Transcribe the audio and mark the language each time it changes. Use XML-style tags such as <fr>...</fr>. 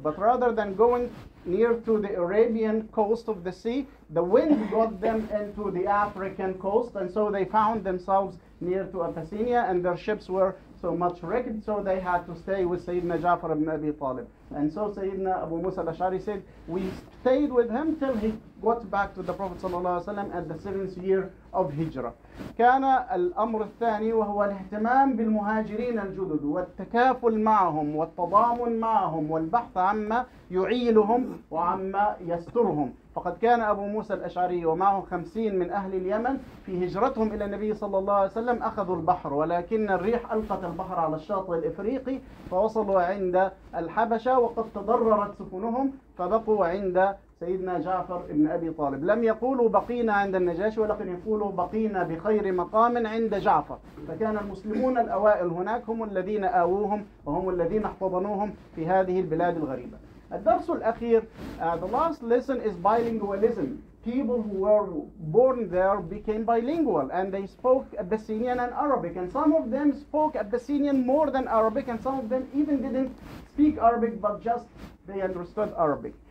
<en>But rather than going near to the Arabian coast of the sea, the wind got them into the African coast, and so they found themselves near to Abyssinia, and their ships were so much wrecked, so they had to stay with Sayyidina Ja'far ibn Abi Talib. And so Sayyidina Abu Musa al-Ash'ari said, we stayed with him till he got back to the Prophet</en> <ar>صلى الله عليه وسلم</ar> <en>at the seventh year of Hijrah.</en> <ar>كان الأمر الثاني وهو الاهتمام بالمهاجرين الجدد والتكافل معهم والتضامن معهم والبحث عما يعيلهم وعما يسترهم. فقد كان أبو موسى الأشعري ومعه 50 من أهل اليمن في هجرتهم إلى النبي صلى الله عليه وسلم أخذوا البحر، ولكن الريح ألقت البحر على الشاطئ الإفريقي فوصلوا عند الحبشة وقد تضررت سفنهم فبقوا عند سيدنا جعفر ابن أبي طالب. لم يقولوا بقينا عند النجاشي، ولكن يقولوا بقينا بخير مقام عند جعفر. فكان المسلمون الأوائل هناك هم الذين آووهم وهم الذين احتضنوهم في هذه البلاد الغريبة. الدرس الأخير,</ar> <en>the last lesson is bilingualism. People who were born there became bilingual and they spoke Abyssinian and Arabic, and some of them spoke Abyssinian more than Arabic, and some of them even didn't speak Arabic but just they understood Arabic.</en>